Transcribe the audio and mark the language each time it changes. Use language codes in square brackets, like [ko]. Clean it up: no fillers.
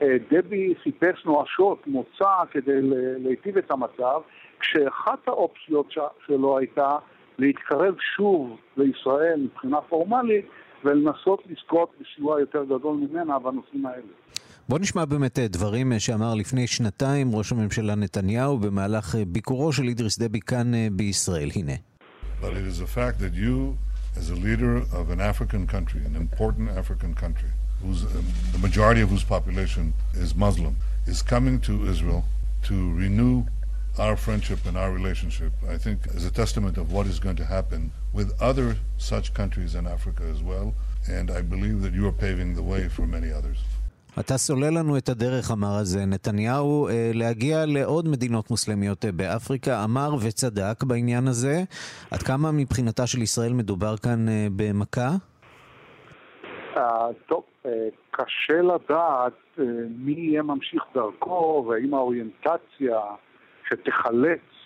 [he] דבי חיפש נואשות מוצא כדי להיטיב את המצב, כשאחת האופציות שלו הייתה להתקרב שוב לישראל מבחינה פורמלית, ולנסות לזכות בסיוע יותר גדול ממנה בנושאים האלה. בוא נשמע באמת דברים שאמר לפני שנתיים ראש הממשלה נתניהו במהלך ביקורו של אידריס דבי כאן בישראל. הנה. [en] But it is a fact that you, as a leader of an African country, an important African country, whose the majority of whose population is Muslim, is coming to Israel to renew our friendship and our relationship, I think is a testament of what is going to happen with other such countries in Africa as well, and I believe that you are paving the way for many others. [he] אתה סולל לנו את הדרך, אמר הזה נתניהו, להגיע לעוד מדינות מוסלמיות באפריקה, אמר וצדק בעניין הזה. עד כמה מבחינתה של ישראל מדובר כאן במכה? טוב, קשה לדעת מי יהיה ממשיך דרכו, והאם האוריינטציה שתחלץ